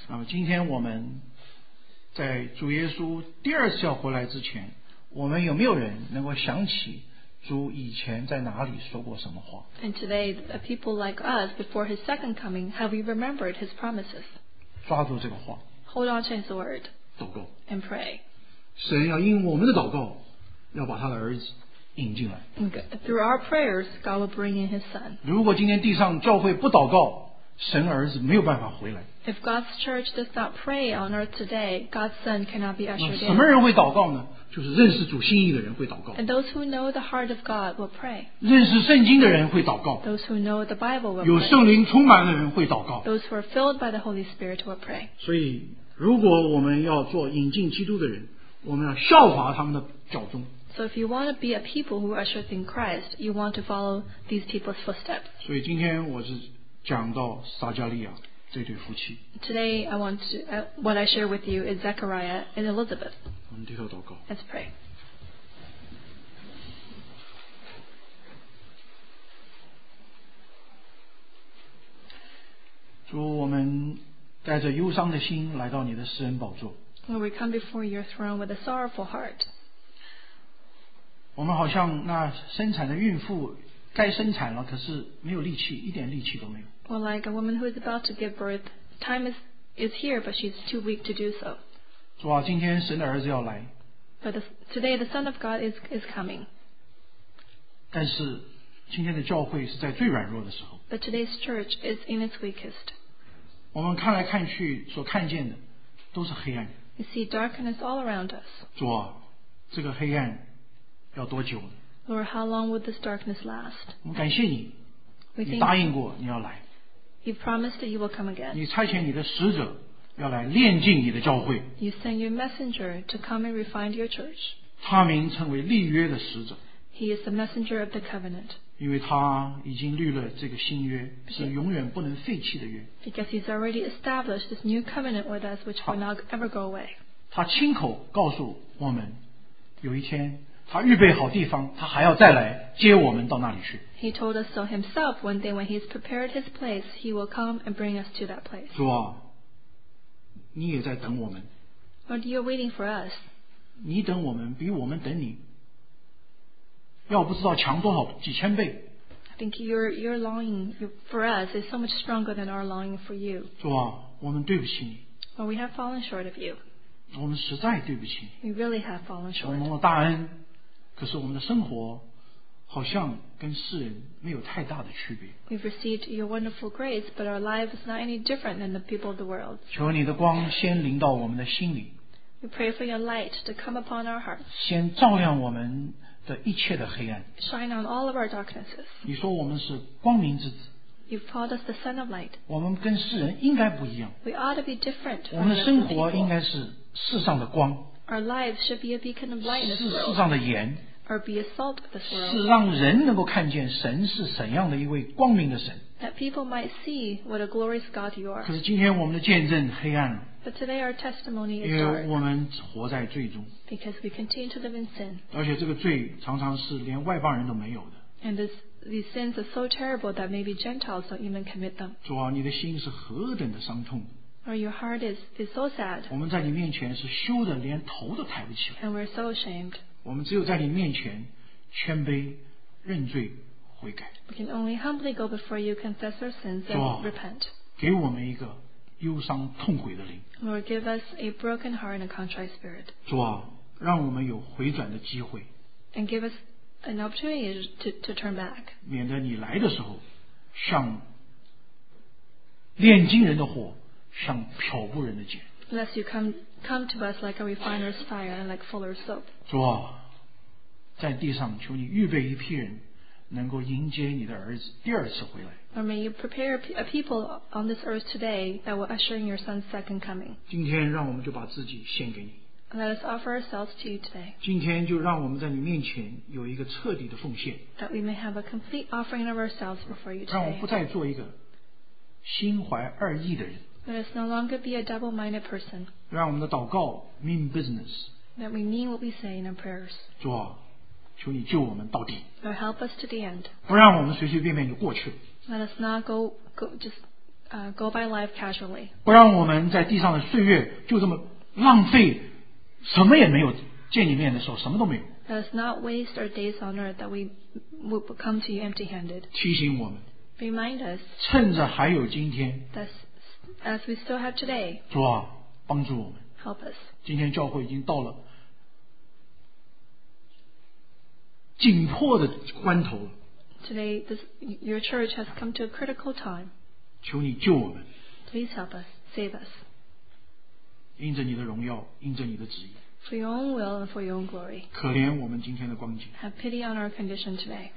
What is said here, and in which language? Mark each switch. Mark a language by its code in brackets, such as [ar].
[zh] 那么今天我们在主耶稣第二次要回来之前，我们有没有人能够想起？主以前在哪里说过什么话 [en] And today, a people like us, before his second coming, have we remembered his promises? [zh] 抓住这个话 [en] Hold on to his word. [zh] 祷告 [en] And pray. [zh] 神要因我们的祷告要把他的儿子引进来 [en] Through our prayers, God will bring in his son. [zh] 如果今天地上教会不祷告神儿子没有办法回来 [en] If God's church does not pray on earth today, God's son cannot be ushered in. [zh] 什么人会祷告呢就是认识主心意的人会祷告。 [en] And those who know the heart of God will pray. [zh] 认识圣经的人会祷告。 [en] Those who know the Bible will pray. [zh] 有圣灵充满的人会祷告。 [en] Those who are filled by the Holy Spirit will pray. [zh] 所以如果我们要做引进基督的人，我们要效法他们的脚踪。 [en] So if you want to be a people who ushers in Christ, you want to follow these people's footsteps. [zh] 所以今天我是讲到撒加利亚这对夫妻。 [en] Today I want to, what I share with you is Zechariah and Elizabeth. [zh] 我们低头祷告。 [en] Let's pray. [zh] 主，我们带着忧伤的心来到你的施恩宝座。 [en] Lord, we come before your throne with a sorrowful heart. [zh] 我们好像那生产的孕妇，该生产了，可是没有力气，一点力气都没有。 [en] Or like a woman who is about to give birth, time is here, but she's too weak to do so. [zh] 主啊，今天神的儿子要来。 [en] But today the Son of God is coming. [zh] 但是今天的教会是在最软弱的时候。 [en] But today's church is in its weakest. [zh] 我们看来看去所看见的都是黑暗。 [en] You see darkness all around us. [zh] 主啊，这个黑暗要多久呢？ [en] Lord, how long would this darkness last? [zh] 我们感谢你，你答应过你要来。 [en] You promised that you will come again. [zh] 你差遣你的使者要来炼净你的教会。 [en] You sent your messenger to come and refine your church. [zh] 他名称为立约的使者。 [en] He is the messenger of the covenant. [zh] 因为他已经立了这个新约，是永远不能废弃的约。 [en] Because he's already established this new covenant with us, which will not ever go away. [zh] 他亲口告诉我们，有一天他预备好地方，他还要再来接我们到那里去。 [en] He told us so himself. One day when he's prepared his place, he will come and bring us to that place. [zh] 主啊，你也在等我们。 [en] Lord, you're waiting for us. [zh] 你等我们比我们等你要不知道强多少几千倍。 [en] I think your longing for us is so much stronger than our longing for you. [zh] 主啊，我们对不起你。 [en] But we have fallen short of you. [zh] 我们实在对不起你。 [en] We really have fallen short. [zh] 我们蒙大恩，可是我们的生活好像跟世人没有太大的区别。 [en] We've received your wonderful grace, but our life is not any different than the people of the world. [zh] 求你的光先临到我们的心里。 [en] We pray for your light to come upon our hearts. [zh] 先照亮我们的一切的黑暗。 [en] Shine on all of our darknesses. [zh] 你说我们是光明之子。 [en] You've called us the son of light. [zh] 我们跟世人应该不一样。 [en] We ought to be different. [zh] 我们的生活应该是世上的光。 [en] Our lives should be a beacon of light. [zh] 是世上的盐。 [en] Or be a salt of this world. [zh] 是让人能够看见神是怎样的一位光明的神。 [en] That people might see what a glorious God you are. [zh] 可是今天我们的见证黑暗了。 [en] But today our testimony is dark. [zh] 因为我们活在罪中。 [en] Because we continue to live in sin. [zh] 而且这个罪常常是连外邦人都没有的。 [en] And these sins are so terrible that maybe Gentiles don't even commit them. [zh] 主啊，你的心是何等的伤痛。 [en] Or your heart is so sad. [zh] 我们在你面前是羞得连头都抬不起来。 [en] And we're so ashamed. [zh] 我们只有在你面前谦卑认罪悔改。 [en] We can only humbly go before you, confess our sins and repent. [zh] 给我们一个忧伤痛悔的灵。 [en] Lord, give us a broken heart and a contrite spirit. [zh] 主啊，让我们有回转的机会。 [en] And give us an opportunity to turn back. [zh] 免得你来的时候，像炼金人的火，像漂布人的剑。 [en] Lest you come to us like a refiner's fire and like fuller's soap. [zh] 主啊，在地上求你预备一批人，能够迎接你的儿子第二次回来。 [en] Or may you prepare a people on this earth today that will usher in your son's second coming. [zh] 今天让我们就把自己献给你。 [en] Let us offer ourselves to you today. [zh] 今天就让我们在你面前有一个彻底的奉献。 [en] That we may have a complete offering of ourselves before you today. [zh] 让我们不再做一个心怀二意的人。 [en] Let us no longer be a double-minded person. [zh] 让我们的祷告 [en] mean business. That we mean what we say in our prayers. [zh] 主啊，求你救我们到底。 [en] Lord, help us to the end. [zh] 不让我们随随便便就过去。 [en] Let us not go by life casually. [zh] 不让我们在地上的岁月就这么浪费，什么也没有见你面的时候什么都没有。 [en] Let us not waste our days on earth that we would come to you empty-handed. [zh] 提醒我们。 [en] Remind us. [zh] 趁着还有今天。 [en] As we still have today. [zh] 主啊，帮助我们。 [en] Help us. [zh] 今天教会已经到了紧迫的关头。 [en] Today, your church has come to a critical time. [zh] 求你救我们。 [en] Please help us, save us. [zh] 因着你的荣耀，因着你的旨意。 [en] For your own will and for your own glory. [zh] 可怜我们今天的光景。 [en] Have pity on our condition today.